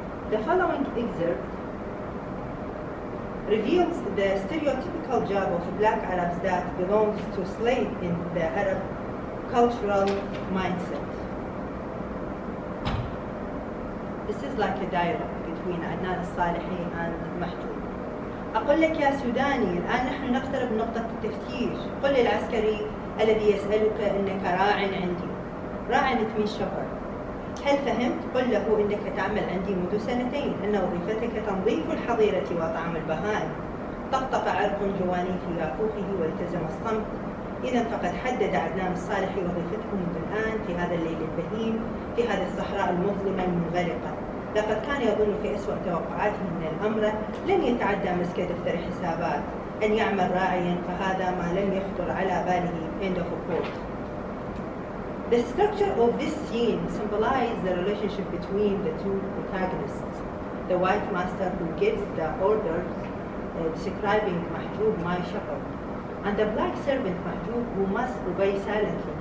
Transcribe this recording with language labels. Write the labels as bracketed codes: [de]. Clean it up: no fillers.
[en] The following excerpt reveals the stereotypical job of black Arabs that belongs to slave in the Arab cultural mindset. This is like a dialogue between Adnan al-Salihi and Mahjoub. [ar] أقول لك يا سوداني الآن نحن نقترب من نقطة التفتيش. قل للعسكري الذي يسألك إنك راع عندي. راع من شبر. هل فهمت؟ قل له إنك تعمل عندي منذ سنتين، إن وظيفتك تنظيف الحظيرة وطعم البهائم. طقطق عرق جواني في عقوقه والتزم الصمت. إذا فقد حدد عدنان الصالحي وظيفته منذ الآن في هذا الليل البهيم في هذا الصحراء المظلمة المغلقة. لقد كان يظن في أسوأ توقعاته أن الأمر لن يتعدى مسك دفتر حسابات، أن يعمل راعيا فهذا ما لم يخطر على باله. [en] End of quote. The structure of this scene symbolizes the relationship between the two protagonists. The white master who gives the orders, describing Mahjoub, my shepherd, and the black servant Mahjoub, who must obey silently.